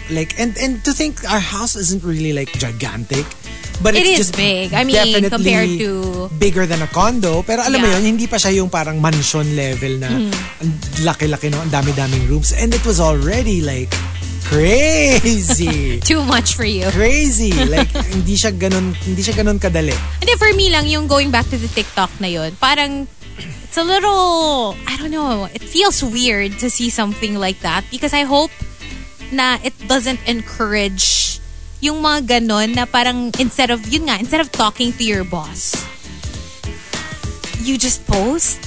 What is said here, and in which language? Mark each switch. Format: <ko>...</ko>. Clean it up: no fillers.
<en>Like, and to think our house isn't really like gigantic. But it is just big. I mean, definitely compared to... bigger than a condo.</en> <tl>Pero alam yeah. mo yun, hindi pa siya yung parang mansion level na laki-laki, no? Ang dami-daming rooms.</tl> <en>And it was already like crazy. Too much for you. Crazy.</en> <tl>Like, hindi siya ganun kadali.</tl> <en>Hindi, for me lang, yung going back to the TikTok na yun, parang, it's a little, I don't know, it feels weird to see something like that because I hope na it doesn't encourage</en> <tl>yung mga ganun na parang,</tl> <en>instead of, yun nga, instead of talking to your boss, you just post?</en>